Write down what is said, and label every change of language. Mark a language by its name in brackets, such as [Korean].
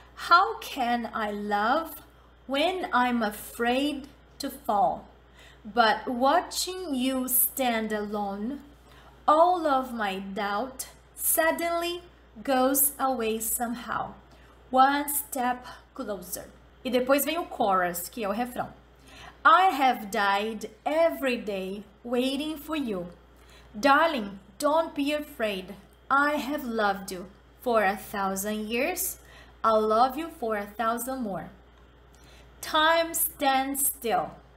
[English] How can I love when I'm afraid to fall? But watching you stand alone, all of my doubt suddenly goes away somehow. One step closer. [Portuguese] E depois vem o chorus, que é o refrão. [English] I have died every day waiting for you. Darling, don't be afraid. I have loved you for a thousand years. I'll love you for a thousand more. Time stands still.